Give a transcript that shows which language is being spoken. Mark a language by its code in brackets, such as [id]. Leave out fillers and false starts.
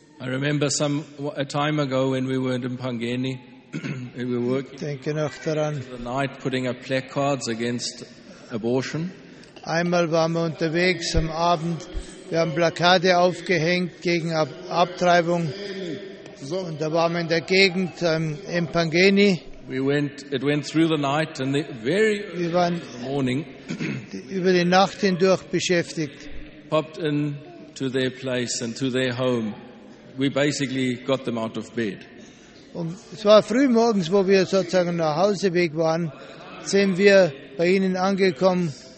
[en] I remember a time ago when we were in Mpangeni, we were working. [de] Denke noch daran. [en] The night putting up placards against abortion. [de] Einmal waren wir unterwegs am Abend, wir haben Plakate aufgehängt gegen Abtreibung. So. Und da waren wir in der Gegend in Pangeni. [en] It went through the night and the very [de] wir waren [en] morning [de] über die Nacht hindurch beschäftigt. [en] Popped in to their place and to their home. We basically got them out of bed. [de] Und es war früh morgens, wo wir sozusagen nach Hause weg waren, sind wir bei ihnen angekommen.